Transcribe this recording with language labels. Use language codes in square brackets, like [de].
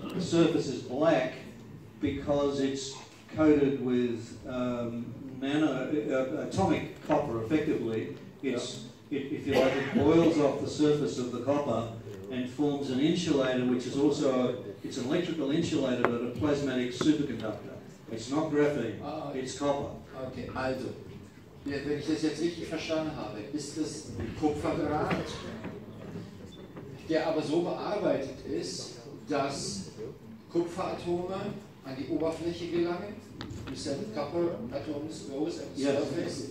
[en] The surface is black because it's coated with atomic copper, effectively. If you like, it boils off the surface of the copper and forms an insulator, which is also it's an electrical insulator, but a plasmatic superconductor. It's not graphene, it's copper. [de] Okay, also, wenn ich das jetzt richtig verstanden habe, ist das Kupferdraht, der aber so bearbeitet ist, dass Kupferatome an die Oberfläche gelangen. [en] You said copper atoms go at the surface.